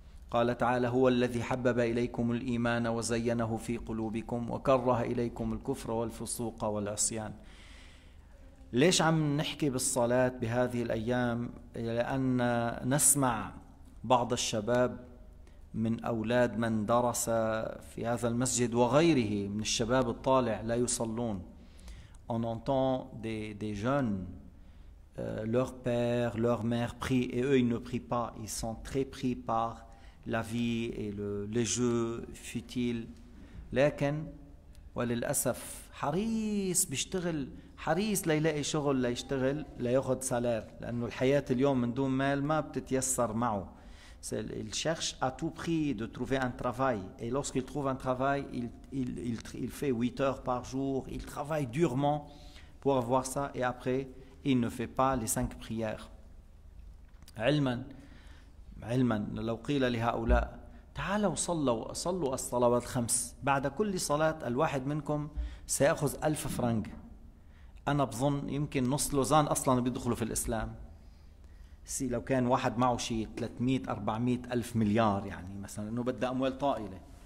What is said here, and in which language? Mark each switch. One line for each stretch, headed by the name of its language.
Arabic: قال تعالى هو الذي حبب إليكم الإيمان وزينه في قلوبكم وكره إليكم الكفر والفسوق والعصيان. ليش عم نحكي بالصلاة بهذه الأيام؟ لأن نسمع بعض الشباب من أولاد من درس في هذا المسجد وغيره من الشباب الطالع لا يصلون.
French: On entend des jeunes, leur père, leur mère prient et eux ils ne prient pas. Ils sont très pris par la vie et les jeux futiles.
Arabic: لكن وللأسف حريص بيشتغل حريص لا يلاقي شغل لا يشتغل لا يأخذ سالير لأنه الحياة اليوم من دون مال ما بتتيسر معه.
French: Il cherche à tout prix de trouver un travail. Et lorsqu'il trouve un travail, il fait 8 heures par jour. Il travaille durement pour avoir ça. Et après, il ne fait pas les 5 prières.
Arabic: علمًا لو قيل لهؤلاء تعالوا صلوا الصلوات الخمس بعد كل صلاة الواحد منكم سيأخذ 1000 فرنك. أنا بظن يمكن نص لوزان أصلاً بيدخلوا في الإسلام. سي لو كان واحد معه شيء 300 400 ألف مليار يعني مثلا انه بده اموال طائله.